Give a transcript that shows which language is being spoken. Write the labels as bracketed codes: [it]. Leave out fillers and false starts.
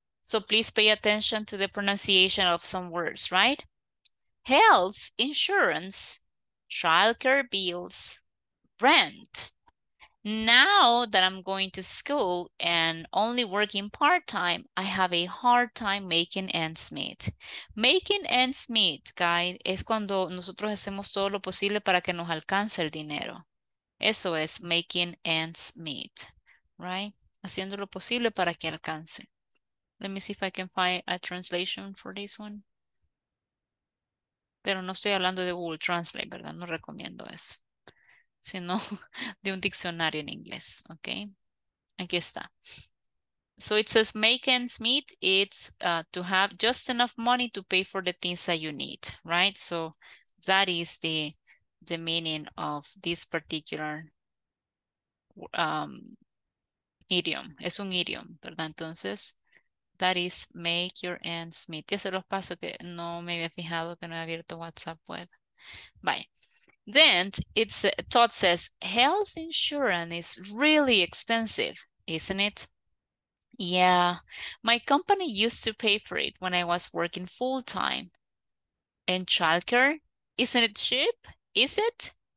[en] So please pay attention to the pronunciation of some words, right? Health insurance, childcare bills, rent. Now that I'm going to school and only working part-time, I have a hard time making ends meet. [es] Making ends meet, guys, es cuando nosotros hacemos todo lo posible para que nos alcance el dinero. Eso es making ends meet, right? Haciendo lo posible para que alcance. [en] Let me see if I can find a translation for this one. [es] Pero no estoy hablando de Google Translate, ¿verdad? No recomiendo eso. Sino de un diccionario en inglés, okay? Aquí está. [en] So it says, make ends meet, it's to have just enough money to pay for the things that you need, right? So that is the meaning of this particular idiom. [es] Es un idiom, ¿verdad? Entonces, [en] that is make your ends meet. [es] Ya se los paso que no me había fijado que no he abierto WhatsApp web. [en] Bye. Then it's Todd says, health insurance is really expensive, isn't it? Yeah, my company used to pay for it when I was working full time. And childcare, isn't it cheap? Is it?